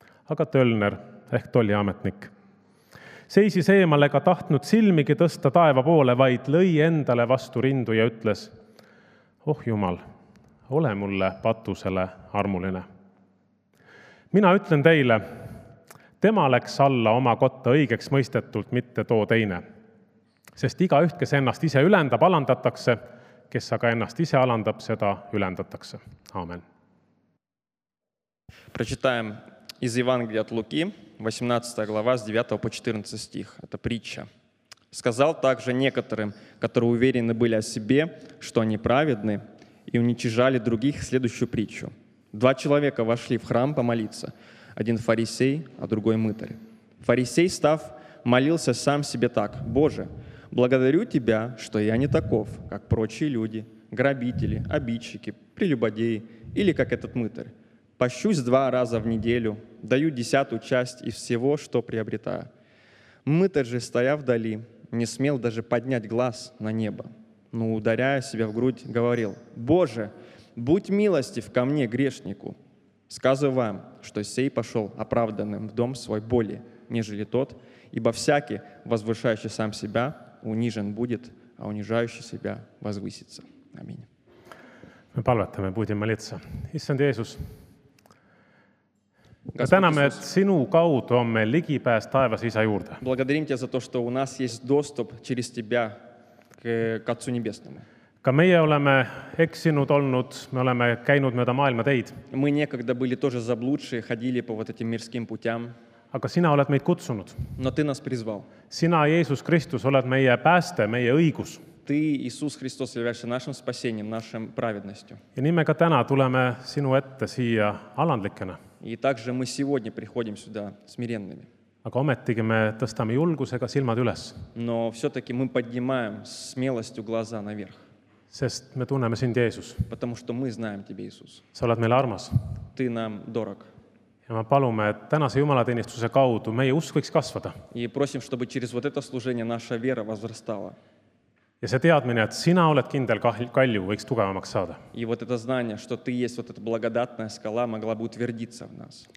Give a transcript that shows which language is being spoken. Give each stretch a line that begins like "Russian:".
Estonian: Aga tölner, ehk tolliametnik, seisis eemale ka tahtnud silmigi tõsta taeva poole, vaid lõi endale vastu rindu ja ütles, oh Jumal, ole mulle patusele armuline. Mina ütlen teile, tema läks alla oma kotta õigeks mõistetult mitte too teine, sest iga üht, kes ennast ise ülendab, alandatakse, kes aga ennast ise alandab, seda ülendatakse. Aamen.
Russian: Prečitajam iz Evangelia от Луки, 18 глава, с 9 по 14 стих. Это притча. «Сказал также некоторым, которые уверены были о себе, что они праведны, и уничижали других следующую притчу. Два человека вошли в храм помолиться, один фарисей, а другой мытарь. Фарисей, став, молился сам себе так: «Боже, благодарю Тебя, что я не таков, как прочие люди, грабители, обидчики, прелюбодеи или как этот мытарь. Пощусь 2 раза в неделю, даю 10-ю часть из всего, что приобретаю». Мытарь же, стоя вдали, не смел даже поднять глаз на небо, но, ударяя себя в грудь, говорил: «Боже, будь милостив ко мне, грешнику! Сказываю вам, что сей пошел оправданным в дом свой более, нежели тот, ибо всякий, возвышающий сам себя, унижен будет, а унижающий себя возвысится». Аминь. Мы палветаем, будем молиться.
Estonian: Иссанд Иисус, me täname, et sinu kaudu on meil ligipääs taevas isa juurde.
Russian: Благодарим тебя за то, что у нас есть доступ через тебя к Отцу Небесному.
Estonian: Ka meie oleme eksinud olnud, me oleme käinud mööda maailma teid.
Russian: Мы некогда были тоже заблудшие, ходили по вот этим мирским путям.
Estonian: Aga sina oled meid kutsunud.
Russian: Но ты нас призвал.
Estonian: Sina, Jeesus Kristus, oled meie pääste, meie õigus.
Russian: Ты, Иисус Христос, являешься нашим спасением, нашим праведностью.
Estonian: Ja nimega täna tuleme sinu ette siia alandlikena.
Russian: И также мы сегодня приходим сюда смиренными.
Estonian: Aga ometigi me tõstame julgusega silmad üles.
Russian: Но все-таки мы поднимаем смелостью глаза наверх.
Estonian: Sest me tunneme sind, Jeesus.
Russian: Потому что мы знаем тебя, Иисус.
Estonian: Sa oled meile armas.
Russian: Ты нам дорог.
Estonian: Ja me palume, et tänase jumalateenistuse kaudu meie usk võiks kasvada.
Russian: И просим, чтобы через вот это служение наша вера возрастала.
Estonian: Ja see teadmine, et sina oled kindel kalju, võiks tugevamaks saada.
Russian: И вот это знание, что ты есть вот эта благодатная скала, могла бы утвердиться в нас.